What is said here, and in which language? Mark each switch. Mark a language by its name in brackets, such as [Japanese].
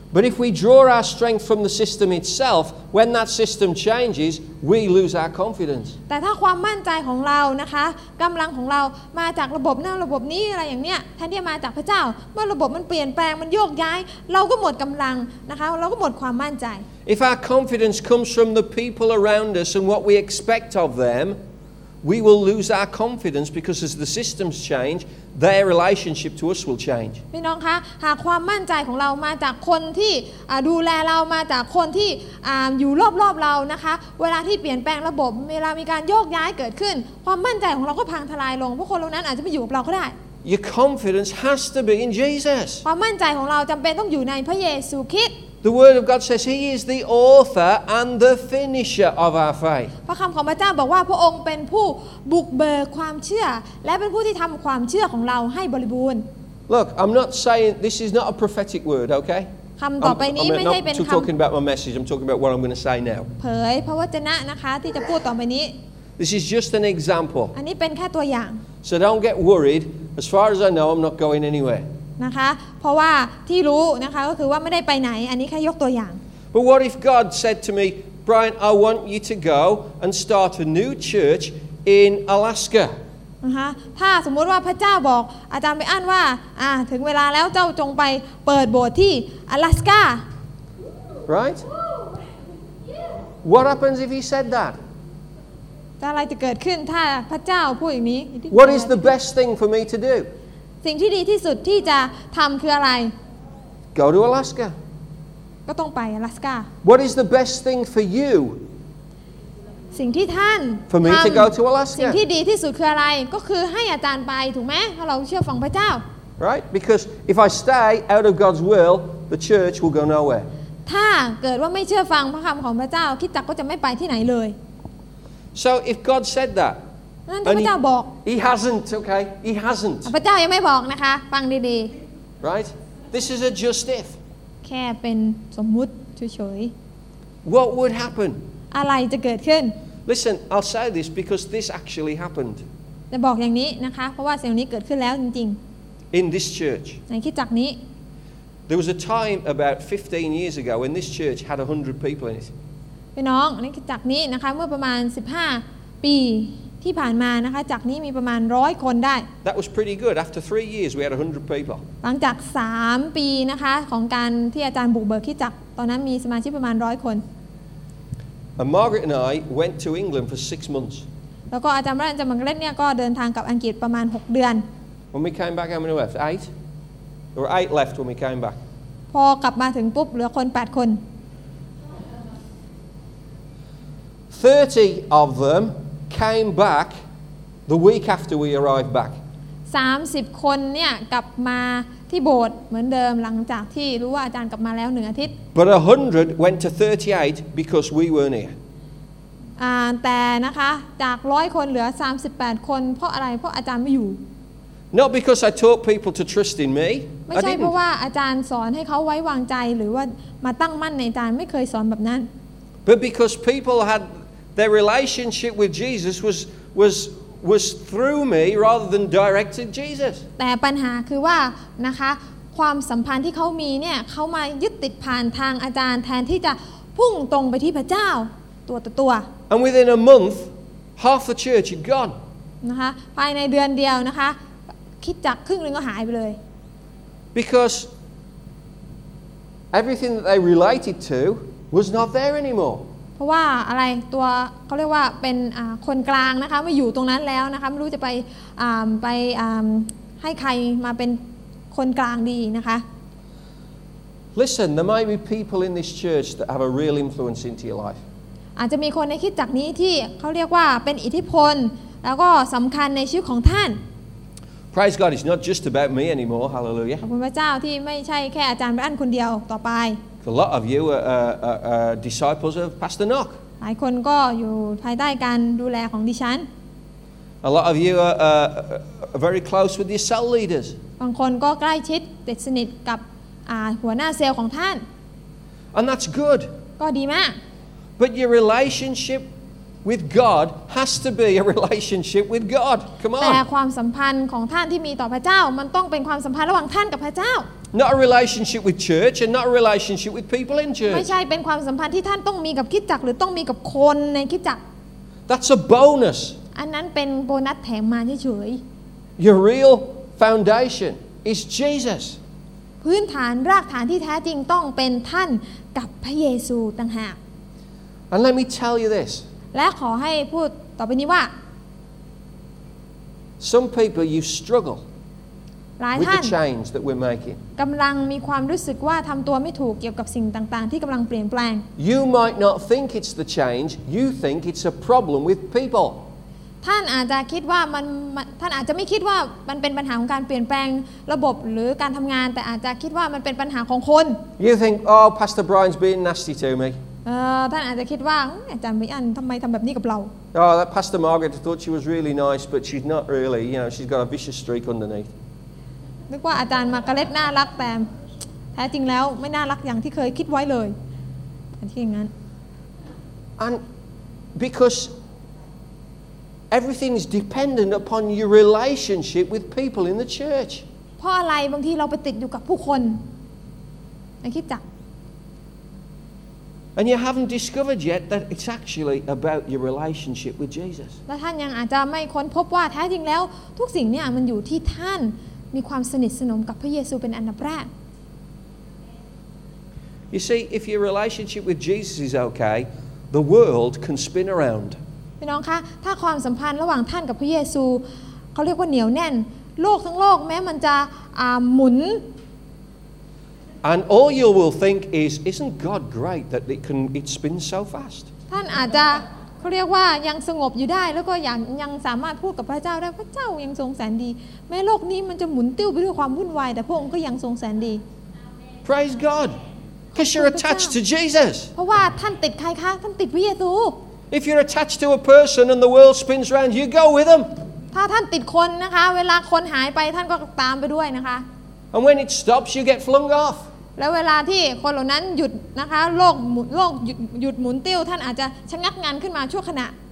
[English] But if we draw our strength from the system itself, when that system changes, we lose our confidence. [Thai] แต่ถ้าความมั่นใจของเรานะคะกำลังของเรามาจากระบบนั้นระบบนี้อะไรอย่างเนี้ยแทนที่มาจากพระเจ้าเมื่อระบบมันเปลี่ยนแปลงมันโยกย้ายเราก็หมดกำลังนะคะเราก็หมดความมั่นใจ [English] If our confidence comes from the people around us and what we expect of them, we will lose our confidence because as the systems change. Their relationship to us will change. [Thai] พี่น้องคะหากความมั่นใจของเรามาจากคนที่ดูแลเรามาจากคนที่อยู่รอบๆเรานะคะเวลาที่เปลี่ยนแปลงระบบเวลามีการโยกย้ายเกิดขึ้นความมั่นใจของเราก็พังทลายลงเพราะคนเหล่านั้นอาจจะไม่อยู่กับเราก็ได้ [English] Your confidence has to be in Jesus. [Thai] ความมั่นใจของเราจำเป็นต้องอยู่ในพระเยซูคริสต์ [English] The word of God says he is the author and the finisher of our faith. [Thai] พระคำของพระเจ้าบอกว่าพระองค์เป็นผู้บุกเบิกความเชื่อและเป็นผู้ที่ทำความเชื่อของเราให้บริบูรณ์ [English] Look, I'm not saying this is not a prophetic word, okay? [Thai] คำต่อไปนี้ไม่ใช่เป็นคำ [English] I'm talking about my message. I'm talking about what I'm going to say now. [Thai] เผยพระวจนะนะคะที่จะพูดต่อไปนี้ [English] This is just an example. [Thai] อันนี้เป็นแค่ตัวอย่าง [English] So don't get worried. As far as I know, I'm not going anywhere. [Thai] นะคะเพราะว่าที่รู้นะคะก็คือว่าไม่ได้ไปไหนอันนี้แค่ยกตัวอย่าง [English] But what if God said to me Brian I want you to go and start a new church in Alaska [Thai] นะคะถ้าสมมติว่าพระเจ้าบอกอาจารย์ไปอ่านว่าถึงเวลาแล้วเจ้าจงไปเปิดโบสถ์ที่อลาสก้า [English] Right What happens if he said that [Thai] อะไรจะเกิดขึ้นถ้าพระเจ้าพูดอย่างนี้ [English] What is the best thing for me to do [Thai] สิ่งที่ดีที่สุดที่จะทำคืออะไร [English] Go to Alaska [Thai] ก็ต้องไป Alaska [English] What is the best thing for you [Thai] สิ่งที่ท่าน [English] For me to go to Alaska [Thai] สิ่งที่ดีที่สุดคืออะไรก็คือให้อาจารย์ไปถูกไหมถ้าเราเชื่อฟังพระเจ้า [English] Right because if I stay out of God's will the church will go nowhere [Thai] ถ้าเกิดว่าไม่เชื่อฟังพระคำของพระเจ้าคิดจักก็จะไม่ไปที่ไหนเลย [English] So if God said that [Thai] นั่นพระเจ้าบอก [English] He hasn't okay He hasn't [Thai] พระเจ้ายังไม่บอกนะคะฟังดี [English] ๆ Right This is a just if [Thai] แค่เป็นสมมุติเฉย [English] ๆ What would happen [Thai] อะไรจะเกิดขึ้น [English] Listen I'll say this because this actually happened [Thai] จะบอกอย่างนี้นะคะเพราะว่าสิ่งนี้เกิดขึ้นแล้วจริง [English] ๆ In this church [Thai] ในคริสตจักรนี้ [English] There was a time about 15 years ago when this church had 100 people in it [Thai] พี่น้องในคริสตจักรนี้นะคะเมื่อประมาณ15ปีที่ผ่านมานะคะจากนี้มีประมาณ100คนได้ [English] That was pretty good after 3 years we had 100 people [Thai] หลังจาก3ปีนะคะของการที่อาจารย์บุกเบิกคริสตจักรตอนนั้นมีสมาชิกประมาณ100คน [English] And Margaret and I went to England for 6 months [Thai] แล้วก็อาจารย์จะมาเล่นเนี่ยก็เดินทางกับอังกฤษประมาณ6เดือน [English] When we came back how many left 8 There were 8 left when we came back [Thai] พอกลับมาถึงปุ๊บเหลือคน8คน [English] 30 of them came back the week after we arrived back [Thai] 30คนเนี่ยกลับมาที่โบสถ์เหมือนเดิมหลังจากที่รู้ว่าอาจารย์กลับมาแล้ว1อาทิตย์ [English] But 100 went to 38 because we were near [Thai] แต่นะคะจาก100คนเหลือ38คนเพราะอะไรเพราะอาจารย์ไม่อยู่ [English] Not because I taught people to trust in me [Thai] ไม่ใช่เพราะว่าอาจารย์สอนให้เขาไว้วางใจหรือว่ามาตั้งมั่นในอาจารย์ไม่เคยสอนแบบนั้น [English] But because people had their relationship with Jesus was through me rather than directed Jesus [Thai] แต่ปัญหาคือว่านะคะความสัมพันธ์ที่เขามีเนี่ยเขามายึดติดผ่านทางอาจารย์แทนที่จะพุ่งตรงไปที่พระเจ้าตัวต่อตัว [English] And within a month half the church had gone [Thai] นะคะภายในเดือนเดียวนะคะคิดจักครึ่งนึงก็หายไปเลย [English] Because everything that they related to was not there anymore [Thai] เพราะว่าอะไรตัวเขาเรียกว่าเป็นคนกลางนะคะมาอยู่ตรงนั้นแล้วนะคะไม่รู้จะไปให้ใครมาเป็นคนกลางดีนะคะ [English] Listen there might be people in this church that have a real influence into your life [Thai] อาจจะมีคนในคริสตจักรนี้ที่เขาเรียกว่าเป็นอิทธิพลแล้วก็สำคัญในชีวิตของท่าน [English] Praise God it's not just about me anymore hallelujah [Thai] ขอบคุณพระเจ้าที่ไม่ใช่แค่อาจารย์บรันคนเดียวต่อไป [English] A lot of you are disciples of Pastor Nock. [Thai] หลายคนก็อยู่ภายใต้การดูแลของดิฉัน [English] A lot of you are very close with your cell leaders. [Thai] บางคนก็ใกล้ชิดติดสนิทกับหัวหน้าเซลล์ของท่าน [English] And that's good. [Thai] ก็ดีมาก [English] But your relationship with God has to be a relationship with God. Come on. [Thai] แต่ความสัมพันธ์ของท่านที่มีต่อพระเจ้ามันต้องเป็นความสัมพันธ์ระหว่างท่านกับพระเจ้า [English] Not a relationship with church and not a relationship with people in church. [Thai] ไม่ใช่เป็นความสัมพันธ์ที่ท่านต้องมีกับคริสตจักรหรือต้องมีกับคนในคริสตจักร [English] That's a bonus. [Thai] อันนั้นเป็นโบนัสแถมมาเฉย [English] ๆ Your real foundation is Jesus. [Thai] พื้นฐานรากฐานที่แท้จริงต้องเป็นท่านกับพระเยซูต่างหาก [English] And let me tell you this. [Thai] และขอให้พูดต่อไปนี้ว่า [English] Some people you strugglew [Thai] หลายท่านกำลังมีความรู้สึกว่าทำตัวไม่ถูกเกี่ยวกับสิ่งต่างๆที่กำลังเปลี่ยนแปลง [English] You might not think it's the change. You think it's a problem with people. [Thai] ท่านอาจจะคิดว่ามันท่านอาจจะไม่คิดว่ามันเป็นปัญหาของการเปลี่ยนแปลงระบบหรือการทำงานแต่อาจจะคิดว่ามันเป็นปัญหาของคน [English] You think, oh, Pastor Brian's being nasty to me. [Thai] ท่านอาจจะคิดว่าอาจารย์บิอันทำไมทำแบบนี้กับเรา [English] Oh, that Pastor Margaret thought she was really nice, but she's not really. You know, she's got a vicious streak underneath. [Thai] นึกว่าอาจารย์มาการ์เล็ตน่ารักแต่แท้จริงแล้วไม่น่ารักอย่างที่เคยคิดไว้เลยอันที่อย่างนั้น [English] And because everything is dependent upon your relationship with people in the church [Thai] เพราะอะไรบางทีเราไปติดอยู่กับผู้คนในคิดจัก [English] And you haven't discovered yet that it's actually about your relationship with Jesus [Thai] และท่านยังอาจจะไม่ค้นพบว่าแท้จริงแล้วทุกสิ่งเนี่ยมันอยู่ที่ท่านมีความสนิทสนมกับพระเยซูเป็นอันดับแรก [English] You see if your relationship with Jesus is okay the world can spin around [Thai] พี่น้องคะถ้าความสัมพันธ์ระหว่างท่านกับพระเยซูเขาเรียกว่าเหนียวแน่นโลกทั้งโลกแม้มันจะหมุน [English] And all you will think is isn't God great that it spins so fast [Thai] ท่านอาจจะเขาเรียกว่ายังสงบอยู่ได้แล้วก็ยังสามารถพูดกับพระเจ้าได้พระเจ้ายังทรงแสนดีแม้โลกนี้มันจะหมุนติ้วไปด้วยความวุ่นวายแต่พระองค์ก็ยังทรงแสนดี [English] Praise God because you're attached to Jesus [Thai] เพราะว่าท่านติดใครคะท่านติดพระเยซู [English] If you're attached to a person and the world spins around you go with them [Thai] ถ้าท่านติดคนนะคะเวลาคนหายไปท่านก็ตามไปด้วยนะคะ [English] And when it stops you get flung off [Thai] แล้วเวลาที่คนเหล่านั้นหยุดนะคะโลกหยุดหมุนติ้วท่านอาจจะชะงักงานขึ้นมาชั่วขณะ